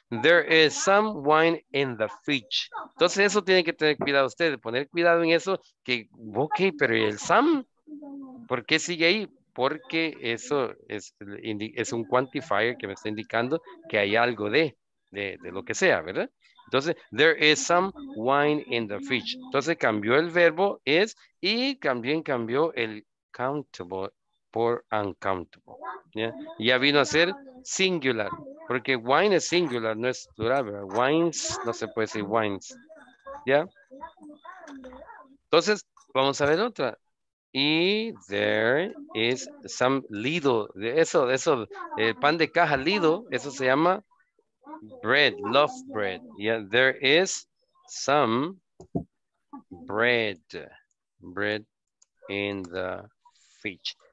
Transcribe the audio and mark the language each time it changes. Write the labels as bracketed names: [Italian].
[English] There is some wine in the fridge. [Spanish] Entonces eso tiene que tener cuidado ustedes. Poner cuidado en eso. Que, ok, pero el Sam, ¿por qué sigue ahí? Porque eso es un quantifier que me está indicando que hay algo de lo que sea, ¿verdad? Entonces, [English] there is some wine in the fridge. [Spanish] Entonces, cambió el verbo, is, y también cambió el countable por uncountable. ¿Ya? Ya vino a ser singular, porque wine es singular, no es plural, ¿verdad? Wines, no se puede decir wines. ¿Ya? Entonces, vamos a ver otra. Y [English] there is some Lido. [Spanish] Eso, el pan de caja Lido, eso se llama [English] bread, loaf bread. Yeah, there is some bread in the fridge.